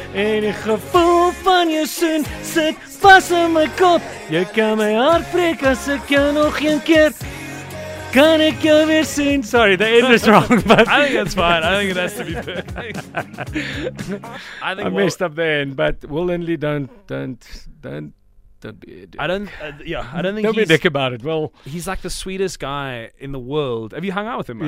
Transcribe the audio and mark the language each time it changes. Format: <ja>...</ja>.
<af>En die gevoel van jou soen sit vas in my kop. Jy kan my hart breek as ek jou nog een keer. Kan ek jou weer sien?</af> <en>Sorry, the end is wrong. But I think it's fine. I think it has to be perfect. I messed up the end, but willingly don't be a dick. I don't think he's be a dick about it. Well, he's like the sweetest guy in the world. Have you hung out with him much?</en>